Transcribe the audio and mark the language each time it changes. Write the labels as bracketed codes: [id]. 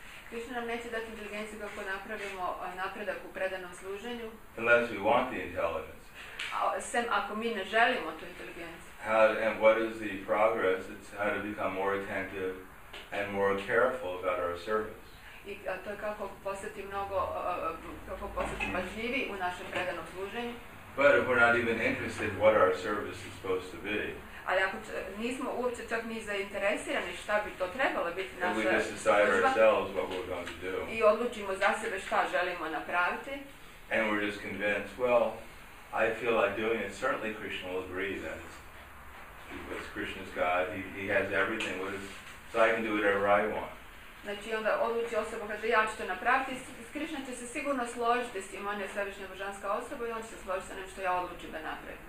[hr] Krishna nam neće dati inteligenciju kako napravimo napredak u predanom služenju. [en] Unless we want the intelligence. [hr] Sem ako mi ne želimo tu inteligenciju. [en] And what is the progress? It's how to become more attentive and more careful about our service. [hr] I to je kako postati mnogo, kako postati pažljivi u našem predanom služenju. [en] But if we're not even interested what our service is supposed to be, [hr] ali ako nismo uopće čak ni zainteresirani šta bi to trebalo biti naša [en] služba, we just decide ourselves what we're going to do. [hr] I odlučimo za sebe šta želimo napraviti. [en] And we're just convinced, well, I feel like doing it, certainly Krishna will agree that it's, because Krishna's God, he has everything with us, so I can do whatever I want. [hr] Znači onda odluči osoba, kaže ja ću to napraviti, Krishna će se sigurno složiti s tim, on je svevišnja božanska osoba i on će se složiti sa onim što ja odlučim da napravim.